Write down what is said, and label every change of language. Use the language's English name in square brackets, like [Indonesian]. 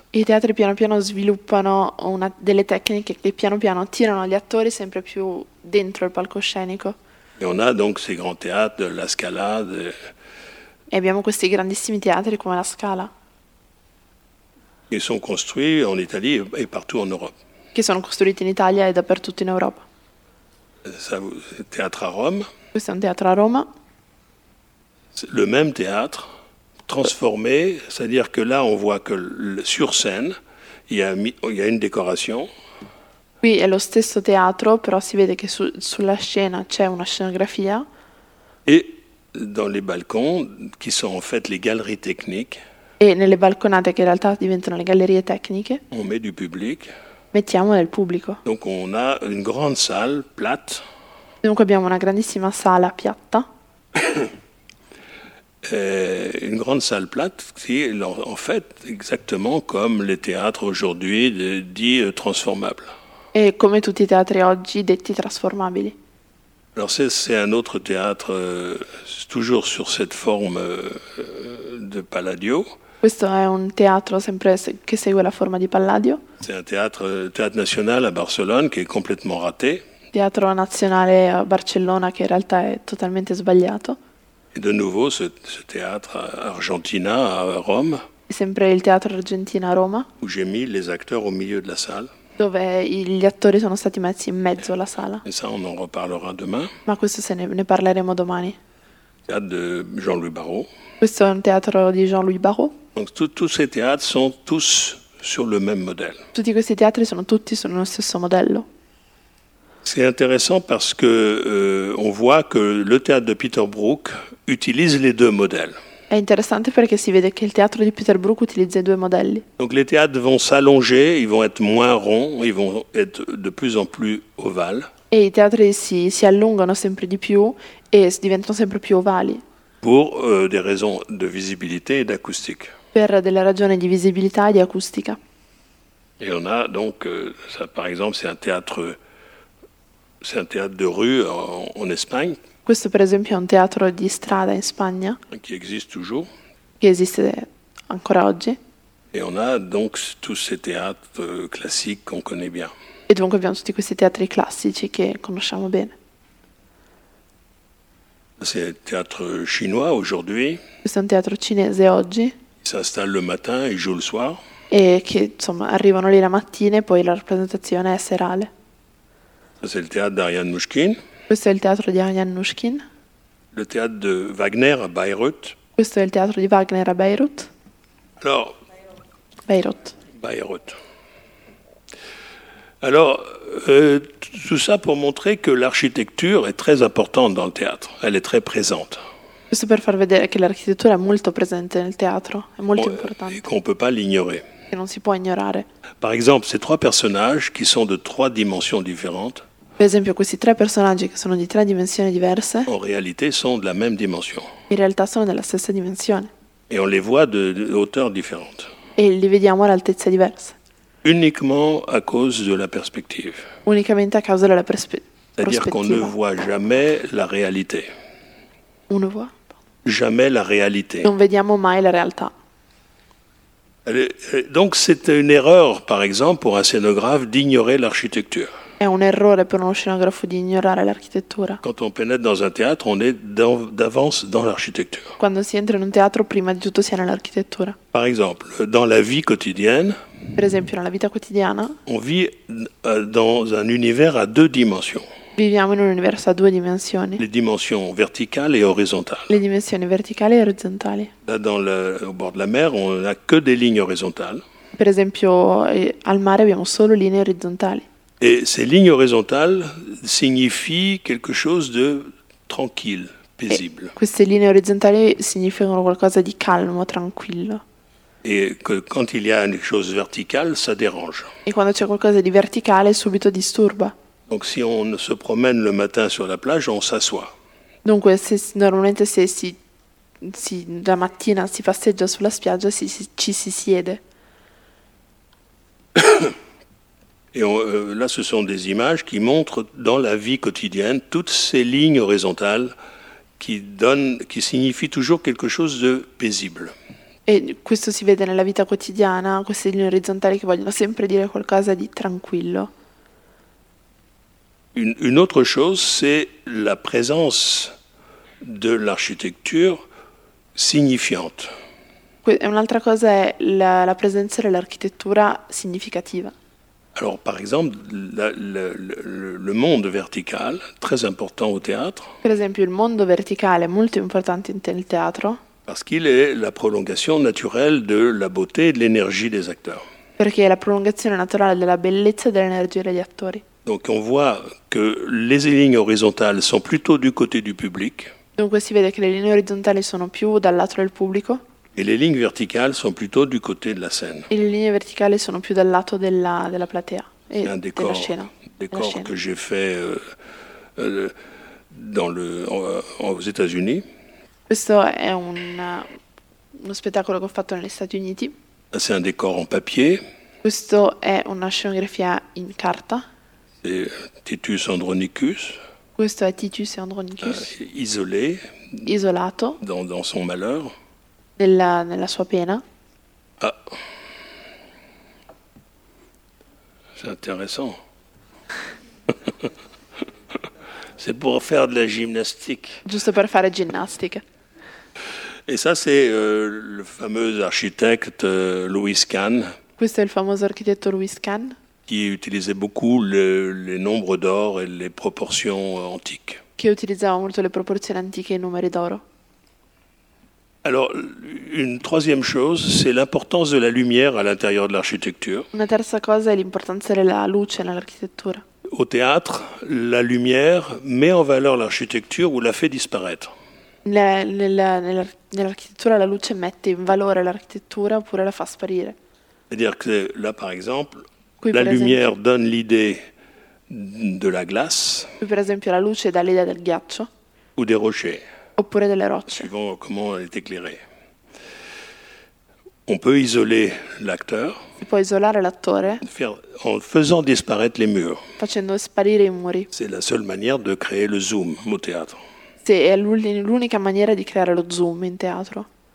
[Italian] I teatri piano piano sviluppano una delle tecniche che piano piano tirano gli attori sempre più dentro il palcoscenico. [French] Et on a donc ces grands théâtres de la Scala. [Italian] E abbiamo questi grandissimi teatri come la Scala. [French] Ils sont construits en Italie et partout en Europe. [Italian] Che sono costruiti in Italia e dappertutto in Europa. [French] Théâtre à Rome. [Italian] Questo è un teatro a Roma. [French] Le même théâtre transformé, c'est-à-dire que là on voit que sur scène il y a une décoration. [Italian] Qui è lo stesso teatro, però si vede che sulla scena c'è una scenografia. [French] Et dans les balcons qui sont en fait les galeries techniques. [Italian] E nelle balconate che in realtà diventano le gallerie tecniche. [French] On met du public. [Italian] Mettiamo nel pubblico. [French] Donc on a une grande salle plate. [Italian] Dunque abbiamo una grandissima sala piatta. [French] une grande salle plate qui est en fait exactement comme les théâtres aujourd'hui dits transformables. [Italian] E come tutti i teatri oggi detti trasformabili. [French] Alors c'est un autre théâtre toujours sur cette forme de Palladio. [Italian] Questo è un teatro sempre che segue la forma di Palladio. [French] C'est un théâtre national à Barcelone qui est complètement raté. [Italian] Teatro nazionale a Barcellona che in realtà è totalmente sbagliato. [French] Et de nouveau ce théâtre Argentina à Rome. [Italian] È sempre il teatro Argentina a Roma. [French] Où j'ai mis les acteurs au milieu de la salle. [Italian] Dove gli attori sono stati messi in mezzo alla sala. [French] Et ça, on en reparlera demain. [Italian] Ma questo se ne parleremo domani. [French] Théâtre de Jean-Louis Barrault. [Italian] Questo è un teatro di Jean-Louis Barrault. [French] Donc tous ces théâtres sont tous sur le même modèle. [Italian] Tutti questi teatri sono tutti sullo stesso modello. [French] C'est intéressant parce que on voit que le théâtre de Peter Brook utilise les deux modèles. [Italian] È interessante perché si vede che il teatro di Peter Brook utilizza i due modelli. [French] Donc les théâtres vont s'allonger, ils vont être moins ronds, ils vont être de plus en plus ovales. [Italian] E i teatri si allungano sempre di più e diventano sempre più ovali. [French] Pour des raisons de visibilité et d'acoustique. [Italian] Per delle ragioni di visibilità e di acustica. [French] Et on a donc ça par exemple c'est un théâtre de rue en Espagne. [Italian] Questo per esempio è un teatro di strada in Spagna. [French] Qui existe toujours. [Italian] Che esiste ancora oggi. [French] Et on a donc tous ces théâtres classiques qu'on connaît bien. [Italian] E dunque abbiamo tutti questi teatri classici che conosciamo bene. [French] C'est un théâtre chinois aujourd'hui. C'est un théâtre chinois oggi. Il s'installe le matin et joue le soir. [Italian] E che insomma arrivano lì la mattina e poi la rappresentazione è serale. [French] C'est le théâtre d'Ariane Mnouchkine. [Italian] Questo è il teatro di Ariane Mnouchkine. [French] Le théâtre de Wagner à Beyrouth. [Italian] Questo è il teatro di Wagner a Beirut. [French] Alors. [Italian] Beirut. [French] Alors, tout ça pour montrer que l'architecture est très importante dans le théâtre. Elle est très présente. [Italian] Questo per far vedere che l'architettura è molto presente nel teatro, è molto importante. [French] Et qu'on peut pas l'ignorer. [Italian] Che non si può ignorare. [French] Par exemple, ces trois personnages qui sont de trois dimensions différentes. [Italian] Per esempio, questi tre personaggi che sono di tre dimensioni diverse. [French] En réalité, sont de la même dimension. [Italian] In realtà sono della stessa dimensione. [French] Et on les voit de hauteurs différentes. [Italian] E li vediamo ad altezze diverse. [French] Uniquement à cause de la perspective. [Italian] Unicamente a causa della prospettiva. [French] C'est-à-dire qu'on ne voit jamais la réalité. On ne voit jamais la réalité. [Italian] Non vediamo mai la realtà. [French] Donc c'est une erreur, par exemple, pour un scénographe d'ignorer l'architecture. [Italian] È un errore per uno scenografo di ignorare l'architettura. [French] Quand on pénètre dans un théâtre, on est d'avance dans l'architecture. [Italian] Quando si entra in un teatro, prima di tutto si è nell'architettura. [French] Par exemple, dans la vie quotidienne. [Italian] Per esempio, nella vita quotidiana. [French] On vit dans un univers à deux dimensions. [Italian] Viviamo in un universo a due dimensioni. [French] Les dimensions verticales et horizontales. [Italian] Le dimensioni verticali e orizzontali. [French] Au bord de la mer, on a que des lignes horizontales. [Italian] Per esempio, al mare abbiamo solo linee orizzontali. [French] Et ces lignes horizontales signifient quelque chose de tranquille, paisible. [Italian] Et queste linee orizzontali significano qualcosa di calmo, tranquillo. [French] Et que quand il y a une chose verticale, ça dérange. [Italian] E quando c'è qualcosa di verticale, subito disturba. [French] Donc si on se promène le matin sur la plage, on s'assoit. [Italian] Dunque, se, normalmente se si, si la mattina si passeggia sulla spiaggia, ci si siede. [French] Et on, là, ce sont des images qui montrent dans la vie quotidienne toutes ces lignes horizontales qui signifient toujours quelque chose de paisible. [Italian] Et questo si vede nella vita quotidiana, queste linee orizzontali che vogliono sempre dire qualcosa di tranquillo. [French] Une autre chose, c'est la présence de l'architecture signifiante. [Italian] Un'altra cosa è la presenza dell'architettura significativa. [French] Alors, par exemple, le monde vertical, très important au théâtre. [Italian] Per esempio, il mondo verticale è molto importante nel teatro. [French] Parce qu'il est la prolongation naturelle de la beauté et de l'énergie des acteurs. [Italian] Perché è la prolungazione naturale della bellezza e dell'energia degli attori. [French] Donc, on voit que les lignes horizontales sont plutôt du côté du public. [Italian] Dunque, si vede che le linee orizzontali sono più dal lato del pubblico. [French] Et les lignes verticales sont plutôt du côté de la scène. [Italian] Le linee verticali sono più dal lato della platea e [French] un décor, [Italian] della scena. [French] Décor [Italian] della [French] que scena. J'ai fait aux États-Unis. [Italian] Questo è uno spettacolo che ho fatto negli Stati Uniti. [French] C'est un décor en papier. [Italian] Questo è una scenografia in carta. [French] C'est Titus Andronicus. [Italian] Questo è Titus e Andronicus. [French] Isolé. [Italian] Isolato. [French] Dans son malheur. [Italian] Nella sua pena. Ah. [French] C'est intéressant. C'est pour faire de la gymnastique. [Italian] Giusto per fare ginnastica. [French] Et ça, c'est le fameux architecte Louis Kahn. [Italian] Questo è il famoso architetto Louis Kahn. [French] Qui utilisait beaucoup les nombres d'or et les proportions antiques. [Italian] Che utilizzava molto le proporzioni antiche e i numeri d'oro. [French] Alors, une troisième chose, c'est l'importance de la lumière à l'intérieur de l'architecture. [Italian] Una terza cosa è l'importanza della luce nell'architettura. [French] Au théâtre, la lumière met en valeur l'architecture ou la fait disparaître. [Italian] Nell'architettura la luce mette in valore l'architettura oppure la fa sparire. [French] C'est-à-dire que là, par exemple, la lumière donne l'idée de la glace. [Italian] Per esempio, la luce dà l'idea del ghiaccio. [French] Ou des rochers. [Italian] Oppure delle rocce. [French] Suivant comment elle est éclairée. On peut isoler l'acteur. [Italian] Si può isolare l'attore. [French] En faisant disparaître les murs. [Italian] Facendo sparire i muri. [French] C'est la seule manière de créer le zoom au théâtre. [Italian] Sì, è l'unica maniera di creare lo zoom in teatro.